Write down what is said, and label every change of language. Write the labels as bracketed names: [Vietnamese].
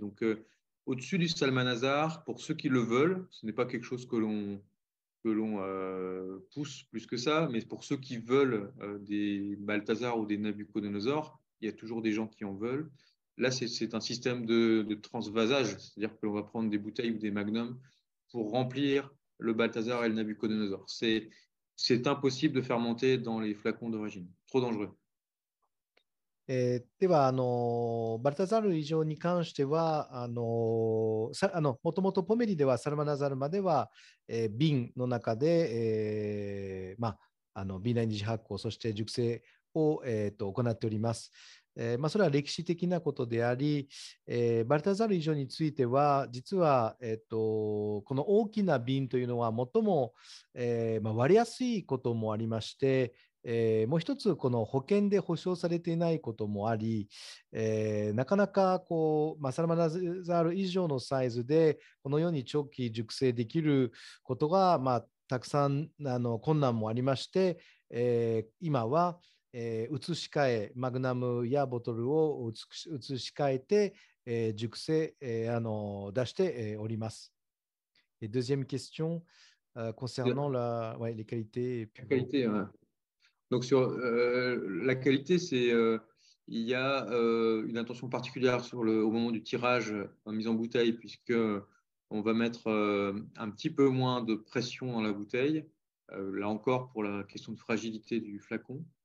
[French] Donc, au-dessus du Salmanazar, pour ceux qui le veulent, ce n'est pas quelque chose que l'on pousse plus que ça, mais pour ceux qui veulent des Balthazar ou des Nabucodonosor, il y a toujours des gens qui en veulent. Là, c'est un système de transvasage, c'est-à-dire que l'on va prendre des bouteilles ou des magnums pour remplir le Balthazar et le Nabucodonosor. C'est impossible de fermenter dans les flacons d'origine, trop dangereux. [Japanese] ではあのバルタザール以上に関してはもともとポメリではサルマナザールまでは、瓶の中で、瓶内二次発酵そして熟成を、行っております。それは歴史的なことであり、バルタザール以上については実は、この大きな瓶というのは最も、割れやすいこともありまして、もう一つこの保険で保証されていないこともあり、なかなかこう、サルマナザール以上のサイズでこのように長期熟成できることが、たくさんあの困難もありまして、今は、移し替えマグナムやボトルを移し替えて、熟成、出しております。 [French] Deuxième question、concernant la, ouais, les qualités, qualité, ouais. Donc sur la qualité, c'est il y a une attention particulière au moment du tirage en mise en bouteille, puisque on va mettre un petit peu moins de pression dans la bouteille, là encore pour la question de fragilité du flacon.